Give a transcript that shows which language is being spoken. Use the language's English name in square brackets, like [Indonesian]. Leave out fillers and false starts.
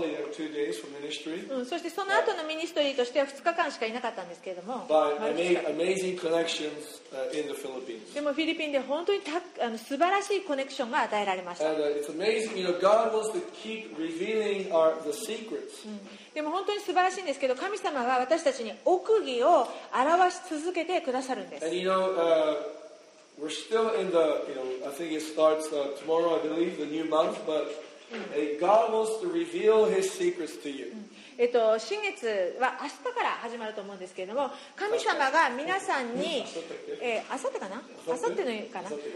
[Japanese] そしてその後のミニストリーとしては2日間しかいなかったんですけれども、でもフィリピンで本当に素晴らしいコネクションが与えられました。でも本当に素晴らしいんですけど、神様が私たちに奥義を表し続けてくださるんです。 [English] And you know, we're still in the, you know, I think it starts tomorrow, I believe, the new month, but God wants to reveal His secrets to you. [Japanese] 新月は明日から始まると思うんですけれども、神様が皆さんに、明後日かな？明後日の日かな？